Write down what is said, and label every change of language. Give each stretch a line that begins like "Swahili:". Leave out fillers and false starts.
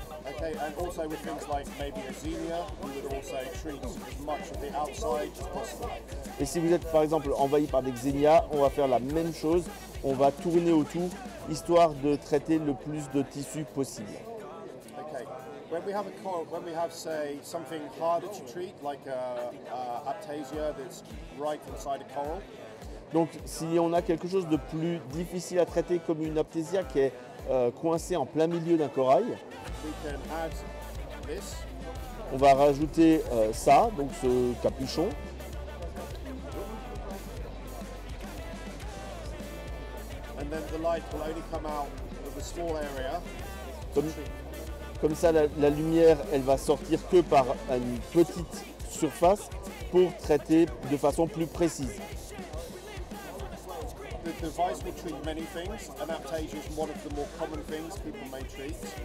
English: Okay, and also with things like maybe azalea, we would also treat as much of the outside as possible.
French: Et si vous êtes par exemple envahi par des xenia, on va faire la même chose, on va tourner autour histoire de traiter le plus de tissus possible.
English: When we have a coral, when we have, say, something harder to treat, like a aptasia that's right inside a coral.
French: Donc, si on a quelque chose de plus difficile à traiter, comme une aptasia qui est coincée en plein milieu d'un corail,
English: we can add this.
French: On va rajouter ça, donc ce capuchon.
English: And then the light will only come out of a small area.
French: Comme ça, la lumière, elle va sortir que par une petite surface pour traiter de façon plus précise.
English: The device will treat many things. An aptasia is one of the more common things people may treat.